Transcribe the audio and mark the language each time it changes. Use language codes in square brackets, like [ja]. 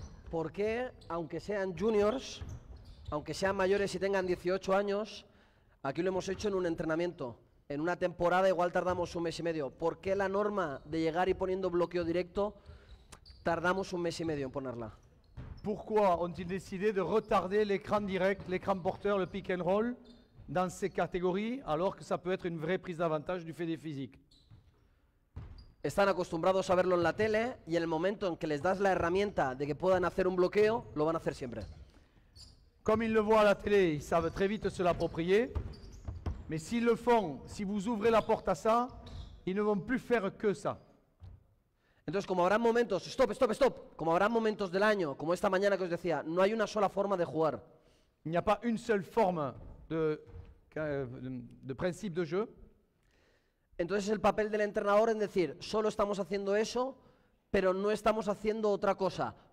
[es] ¿Por qué, aunque sean juniors, aunque sean mayores y tengan 18 años, aquí lo hemos hecho en un entrenamiento, en una temporada igual tardamos un mes y medio? ¿Por qué la norma de llegar y poniendo bloqueo directo tardamos un mes y medio en ponerla? ¿Por qué han decidido de retardar el écran direct, el écran porteur, el pick and roll? [fr] Dans ces catégories, alors que ça peut être une vraie prise d'avantage du fait des physiques. [es] Están acostumbrados a verlo en la tele y en el momento en que les das la herramienta de que puedan hacer un bloqueo, lo van a hacer siempre. [fr] Comme ils le voient à la télé, ils savent très vite se l'approprier. Mais s'ils le font, si vous ouvrez la porte à ça, ils ne vont plus faire que ça. [es] Entonces, como habrán momentos, stop, stop, stop, como habrán momentos del año, como esta mañana que os decía, no hay una sola forma de jugar. [fr] Il n'y a pas une seule forme de principe de jeu. [es] Entonces el papel del entrenador en decir, solo estamos haciendo eso, pero no estamos haciendo otra cosa.